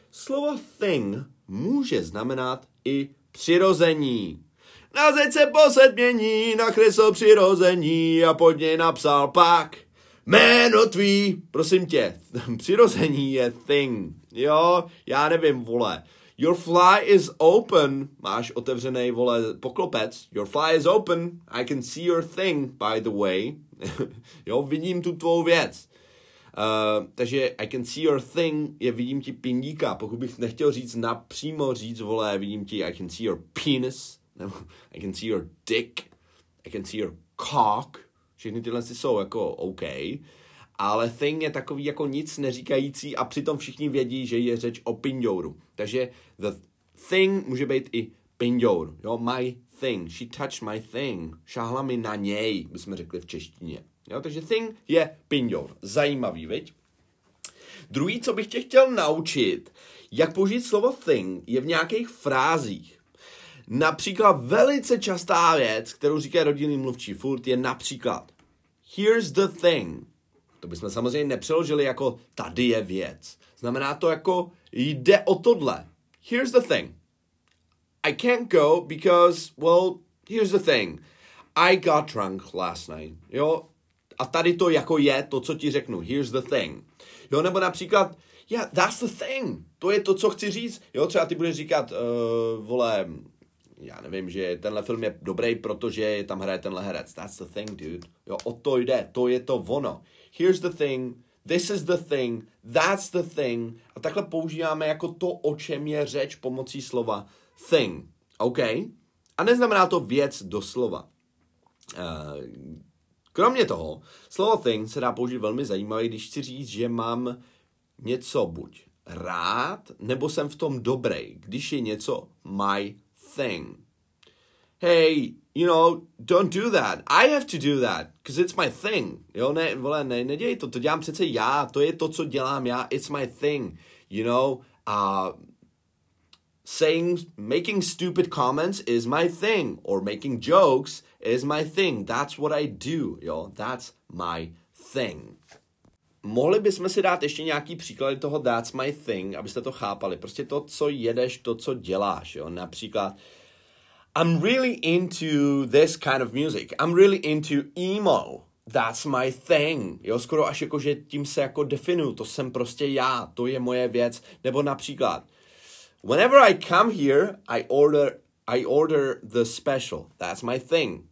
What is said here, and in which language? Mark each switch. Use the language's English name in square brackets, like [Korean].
[Czech] Slovo thing může znamenat i přirození. Na zeď se posed mění, nakresl přirození a pod něj napsal pak. Jméno tvý, prosím tě, přirození je thing, jo, já nevím, vole. [English] Your fly is open, [Czech] máš otevřený, vole, poklopec. [English] Your fly is open, I can see your thing, by the way. [Czech] Jo, vidím tu tvou věc. [English] Takže I can see your thing [Czech] je vidím ti pindíka, pokud bych nechtěl říct napřímo říct, vole, vidím ti [English] I can see your penis, nebo I can see your dick, I can see your cock. [Czech] Všechny tyhle jsou jako OK, ale thing je takový jako nic neříkající a přitom všichni vědí, že je řeč o pindouru. Takže the thing může být i pindour. Jo, [English] my thing, she touched my thing, [Czech] šáhla mi na něj, bychom řekli v češtině. Jo, takže thing je pindour. Zajímavý, viď? Druhý, co bych tě chtěl naučit, jak použít slovo thing, je v nějakých frázích. Například velice častá věc, kterou říká rodinný mluvčí furt, je například [English] here's the thing. [Czech] To bychom samozřejmě nepřeložili jako tady je věc. Znamená to jako jde o tohle. [English] Here's the thing. I can't go because, well, here's the thing. I got drunk last night. Jo? A tady to jako je to, co ti řeknu. Here's the thing. Jo, nebo například, yeah, that's the thing. [Czech] To je to, co chci říct. Jo, třeba ty budeš říkat, vole, já nevím, že tenhle film je dobrý, protože tam hraje tenhle herec. [English] That's the thing, dude. [Czech] Jo, o to jde, to je to ono. [English] Here's the thing, this is the thing, that's the thing. [Czech] A takhle používáme jako to, o čem je řeč pomocí slova thing. OK? A neznamená to věc doslova. Kromě toho, slovo thing se dá použít velmi zajímavě, když chci říct, že mám něco buď rád, nebo jsem v tom dobrý, když je něco my thing. [English] Hey, you know, don't do that. I have to do that, because it's my thing. [Czech] Jo, ne, vole, ne, nedělej to, to dělám přece já, to je to, co dělám já, [English] it's my thing, you know. Saying, making stupid comments is my thing, or making jokes is my thing, that's what I do, jo, that's my thing. [Czech] Mohli bychom si dát ještě nějaký příklad toho [English] that's my thing, [Czech] abyste to chápali. Prostě to, co jedeš, to, co děláš. Jo? [English] Například, I'm really into this kind of music. I'm really into emo. That's my thing. [Czech] Jo, skoro až jako, že tím se jako definuju. To jsem prostě já. To je moje věc. Nebo například, [English] whenever I come here, I order the special. That's my thing.